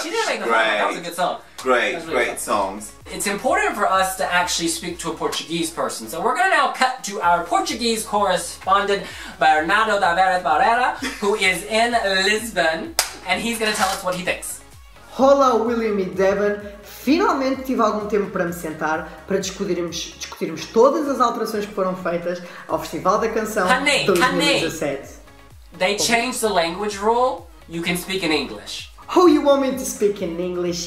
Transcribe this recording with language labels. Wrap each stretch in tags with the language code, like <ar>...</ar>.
<en>She didn't make the final, that was a good song. Great songs. It's important for us to actually speak to a Portuguese person. So we're gonna now cut to our Portuguese correspondent, Bernardo Tavares Barreira, who is in Lisbon, and he's gonna tell us what he thinks.</en> <pt>Olá, William e Devon. Finalmente tive algum tempo para me sentar, para discutirmos todas as alterações que foram feitas ao Festival da Canção 2017.</pt> <en>They changed the language rule, you can speak in English. Oh, you want me to speak in English?</en>